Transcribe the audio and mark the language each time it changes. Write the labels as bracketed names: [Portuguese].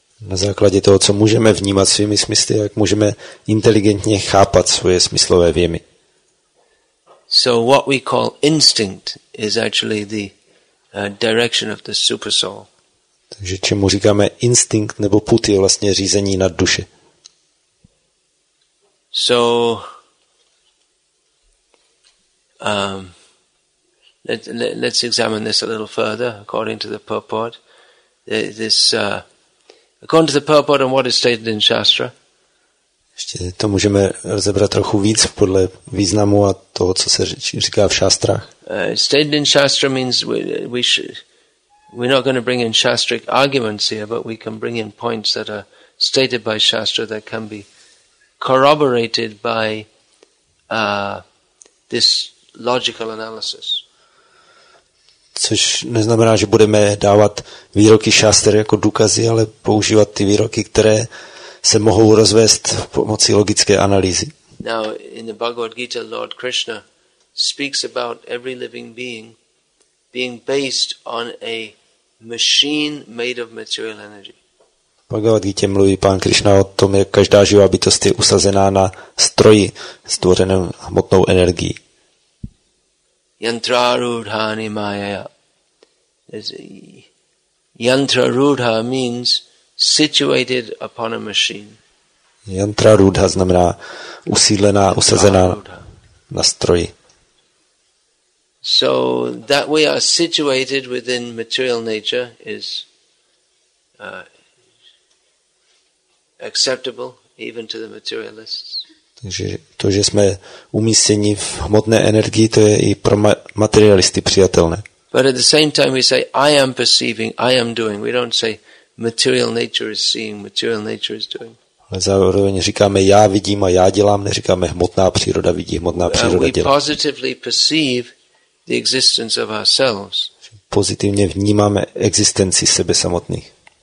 [Czech] Na základě toho, co můžeme vnímat svými smysly, jak můžeme inteligentně chápat svoje smyslové vědomí. [English] So what we call instinct is actually the direction of the super soul. [Czech] Takže čemu říkáme instinct nebo put je vlastně řízení nad duše. [English] So let's examine this a little further according to the purport. According to the purport and what is stated in Shastra. [Czech] Ještě to můžeme rozebrat trochu víc podle významu a toho, co se říká v šástrách. [English] Stated in Shastra means we're not going to bring in Shastric arguments here, but we can bring in points that are stated by Shastra that can be corroborated by this logical analysis. [Czech] Což neznamená, že budeme dávat výroky Shastry jako důkazy, ale používat ty výroky, které se mohou rozvést pomocí logické analýzy. [English] Now in the Bhagavad Gita, Lord Krishna speaks about every living being based on a machine made of material energy. [Czech] Bhagavad Gita mluví pán Krishna o tom, jak každá živá bytost je usazená na stroji stvořeném hmotnou energií. [Sanskrit] Yantra rudhani maya. [English] Yantra rudha means situated upon a machine. [Czech] Yantra rudha znamená usídlená, usazená na stroji. [English] So that we are situated within material nature is acceptable even to the materialists. [Czech] Takže to, že jsme umístěni v hmotné energii, to je i pro materialisty přijatelné. [English] But at the same time we say I am perceiving, I am doing. We don't say material nature is seeing, material nature is doing. [Czech] Ale zároveň říkáme já vidím a já dělám, neříkáme hmotná příroda vidí, hmotná příroda dělá. [English] We positively perceive the existence of ourselves. [Czech] pozitivně vnímáme existenci sebe samotných.